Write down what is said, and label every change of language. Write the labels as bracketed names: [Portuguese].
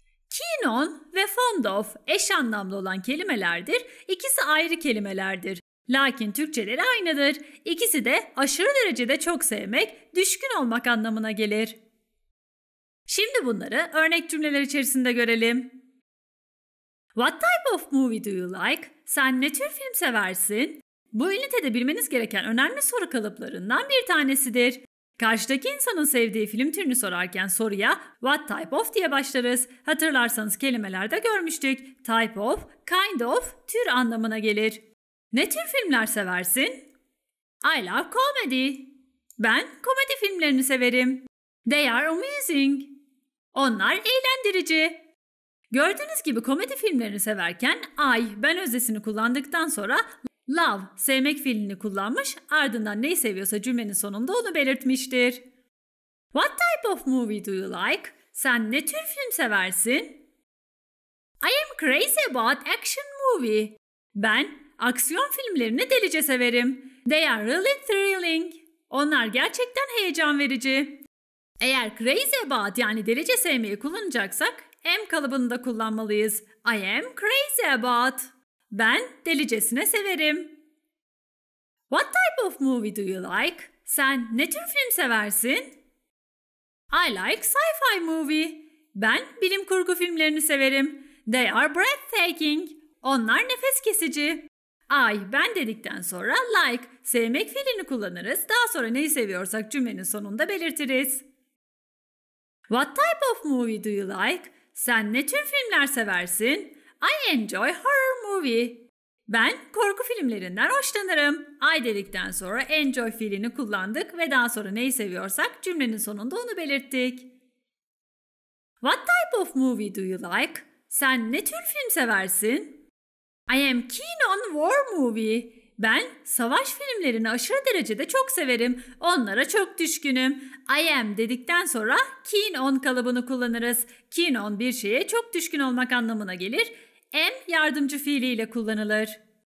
[Turkish] Keen on ve fond of eş anlamlı olan kelimelerdir. İkisi ayrı kelimelerdir. Lakin Türkçeleri aynıdır. İkisi de aşırı derecede çok sevmek, düşkün olmak anlamına gelir. Şimdi bunları örnek cümleler içerisinde görelim. [English] What type of movie do you like? [Turkish] Sen ne tür film seversin? Bu ünitede bilmeniz gereken önemli soru kalıplarından bir tanesidir. Karşıdaki insanın sevdiği film türünü sorarken soruya what type of diye başlarız. Hatırlarsanız kelimelerde görmüştük. Type of, kind of, tür anlamına gelir. Ne tür filmler seversin? [English] I love comedy. [Turkish] Ben komedi filmlerini severim. [English] They are amusing. [Turkish] Onlar eğlendirici. Gördüğünüz gibi komedi filmlerini severken I, ben öznesini kullandıktan sonra love, sevmek fiilini kullanmış, ardından neyi seviyorsa cümlenin sonunda onu belirtmiştir. [English] What type of movie do you like? [Turkish] Sen ne tür film seversin? [English] I am crazy about action movie. [Turkish] Ben aksiyon filmlerini delice severim. [English] They are really thrilling. [Turkish] Onlar gerçekten heyecan verici. Eğer crazy about yani delice sevmeyi kullanacaksak am kalıbını da kullanmalıyız. [English] I am crazy about. [Turkish] Ben delicesine severim. [English] What type of movie do you like? [Turkish] Sen ne tür film seversin? [English] I like sci-fi movie. [Turkish] Ben bilim kurgu filmlerini severim. [English] They are breathtaking. [Turkish] Onlar nefes kesici. I, ben dedikten sonra like, sevmek fiilini kullanırız. Daha sonra neyi seviyorsak cümlenin sonunda belirtiriz. [English] What type of movie do you like? [Turkish] Sen ne tür filmler seversin? [English] I enjoy horror movie. [Turkish] Ben korku filmlerinden hoşlanırım. I dedikten sonra enjoy fiilini kullandık ve daha sonra neyi seviyorsak cümlenin sonunda onu belirttik. [English] What type of movie do you like? [Turkish] Sen ne tür film seversin? [English] I am keen on war movie. [Turkish] Ben savaş filmlerini aşırı derecede çok severim. Onlara çok düşkünüm. I am dedikten sonra keen on kalıbını kullanırız. Keen on bir şeye çok düşkün olmak anlamına gelir. Am yardımcı fiiliyle kullanılır.